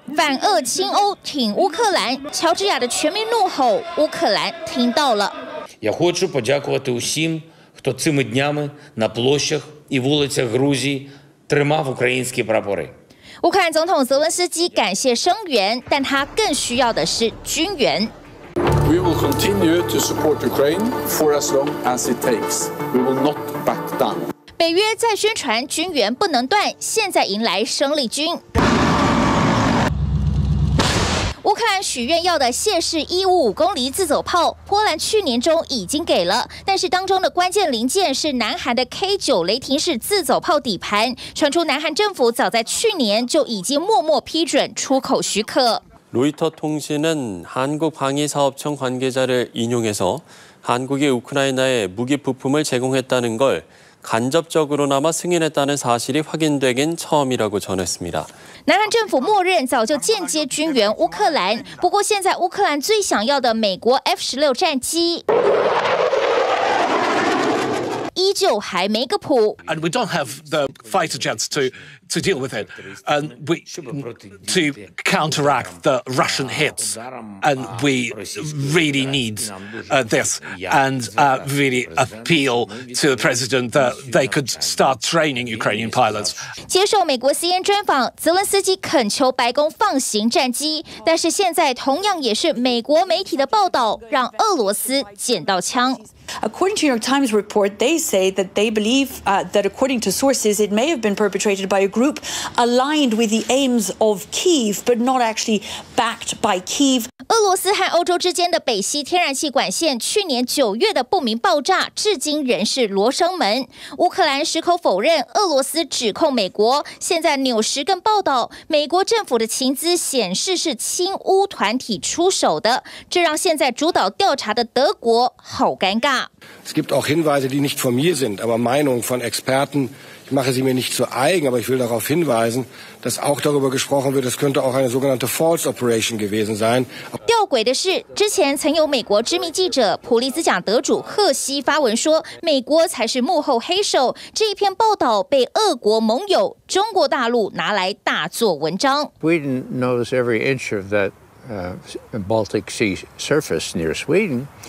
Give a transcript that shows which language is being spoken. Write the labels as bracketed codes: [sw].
[zh] 反俄亲欧挺乌克兰，乔治亚的全民怒吼，乌克兰听到了。 [uk] Я хочу подякувати усім, хто цими днями на площах і вулицях Грузії тримав українські прапори. [zh] 乌克兰总统泽文斯基感谢声援，但他更需要的是军援。 [en] We will continue to support Ukraine for as long as it takes. We will not back down. [zh] 北约在宣传军援不能断，现在迎来生力军。乌克兰许愿要的谢氏155公里自走炮，波兰去年中已经给了，但是当中的关键零件是南韩的 K9 雷霆式自走炮底盘。传出南韩政府早在去年就已经默默批准出口许可。 [ko] 로이터통신은한국방위사업청관계자를인용해서한국이우크라이나에무기부품을제공했다는걸간접적으로나마승인했다는사실이확인되긴처음이라고전했습니다 [zh] 南韩政府默认早就间接军援乌克兰，不过现在乌克兰最想要的美国 F-16 战机依旧还没个谱。 [en] And we don't have the fighter jets to deal with it, and we to counteract the Russian hits, and we really need this, and really appeal to the president that they could start training Ukrainian pilots. [zh] 接受美国 CNN 专访，泽连斯基恳求白宫放行战机，但是现在同样也是美国媒体的报道让俄罗斯捡到枪。 [en] According to New York Times report, they say that they believe that according to sources, it may have been perpetrated by a group aligned with the aims of Kyiv, but not actually backed by Kyiv. [zh] 俄罗斯和欧洲之间的北溪天然气管线去年九月的不明爆炸，至今仍是罗生门。乌克兰矢口否认俄罗斯指控美国，现在纽时更报道，美国政府的情资显示是亲乌团体出手的，这让现在主导调查的德国好尴尬。 [de] Es gibt auch Hinweise, die nicht von mir sind, aber Meinungen von Experten. Ich mache sie mir nicht zu eigen, aber ich will darauf hinweisen, dass auch darüber gesprochen wird, es könnte auch eine sogenannte False Operation gewesen sein. [zh] 吊诡的是，之前曾有美国知名记者、普利兹奖得主赫西发文说，美国才是幕后黑手。这一篇报道被俄国盟友中国大陆拿来大做文章。 [en] Sweden knows every inch of that Baltic Sea surface near Sweden.